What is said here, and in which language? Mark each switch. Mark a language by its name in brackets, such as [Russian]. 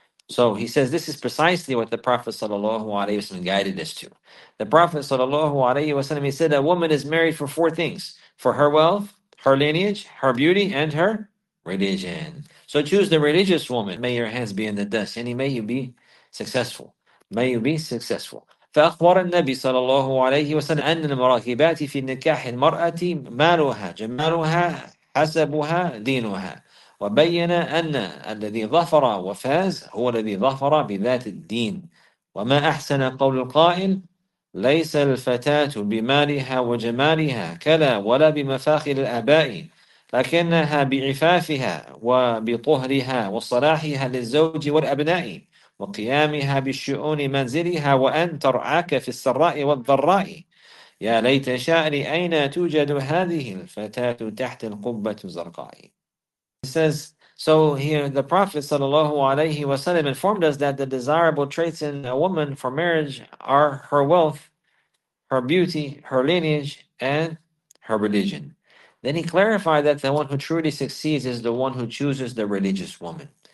[English] So he says this is precisely what the Prophet ﷺ guided us to. The Prophet ﷺ, he said a woman is married for four things: for her wealth, her lineage, her beauty, and her religion. So choose the religious woman. May your hands be in the dust. And may you be successful. May you be successful. [Arabic] فأخبر النبي صلى الله عليه وسلم أن المراكبات في نكاح المرأة مالها جمالها حسبها دينها، وبين أن الذي ظفر وفاز هو الذي ظفر بذات الدين. وما أحسن قول القائل: ليس الفتاة بمالها وجمالها كلا ولا بمفاخر الآباء، لكنها بعفافها وبطهرها وصلاحها للزوج والأبناء وقيامها بالشؤون منزلها، وأن ترعاك في السراء والضراء. يا ليت شعري أين توجد هذه الفتاة تحت القبة الزرقاء. [English] It says, so here the Prophet sallallahu alaihi wasallam informed us that the desirable traits in a woman for marriage are her wealth, her beauty, her lineage, and her religion. Then he clarified that the one who truly succeeds is the one who chooses the religious woman.